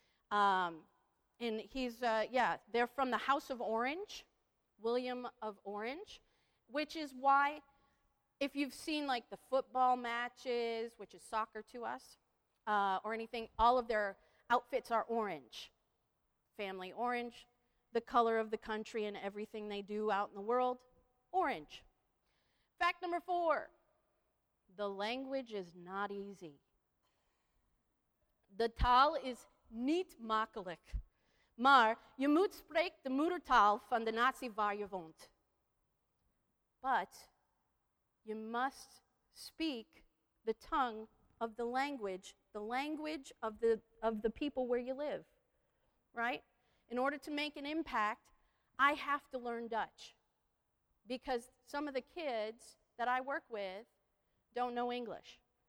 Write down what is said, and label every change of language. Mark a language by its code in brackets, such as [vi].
[en] And he's, they're from the House of Orange, William of Orange, which is why, if you've seen, like, the football matches, which is soccer to us, or anything, all of their outfits are orange. Family orange, the color of the country and everything they do out in the world, orange. Fact number 4, the language is not easy. [nl] The taal is niet makkelijk, maar je moet spreek de moedertaal van de natie waar je woont. [en] But you must speak the tongue of the language of the people where you live, right? In order to make an impact, I have to learn Dutch because some of the kids that I work with don't know English.